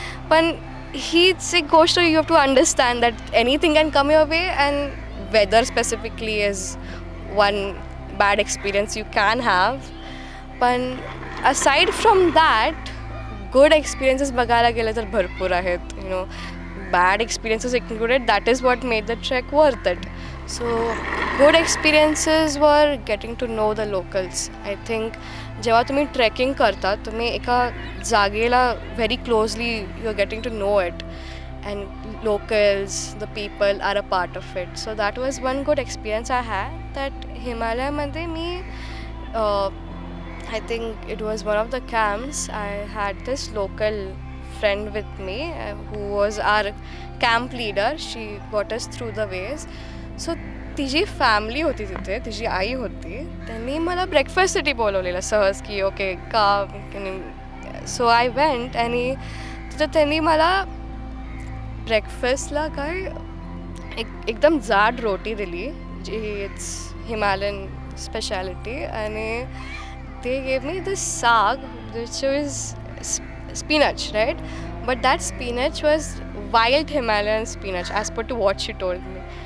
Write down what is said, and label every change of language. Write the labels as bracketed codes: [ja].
[mr] पण हीच एक गोष्ट [en] You have to understand that anything can come your way, and weather specifically is one bad experience you can have. पण aside from that, good experiences [mr] बघायला गेलं तर भरपूर आहेत, [en] You know bad experiences included, that is what made the trek worth it. So good experiences were getting to know the locals. I think [mr] jeva tumhi trekking karta, tumhi eka jagela [en] very closely you are getting to know it, and locals, the people are a part of it. So that was one good experience I had, that [mr] Himalaya madhe me [en] I think it was one of the camps, I had this local friend with me who was our camp leader. She got us through the ways. [mr] So तिची family होती तिथे, तिची आई होती, त्यांनी मला ब्रेकफास्टसाठी बोलवलेलं सहज की okay का. [en] so I went [mr] आणि तिथं त्यांनी मला ब्रेकफास्टला काय एकदम जाड रोटी दिली, जी [en] it's Himalayan speciality, [mr] आणि ते [en] gave me the saag which is spinach, [mr] right? [en] But that spinach was wild Himalayan spinach as per to what she told me.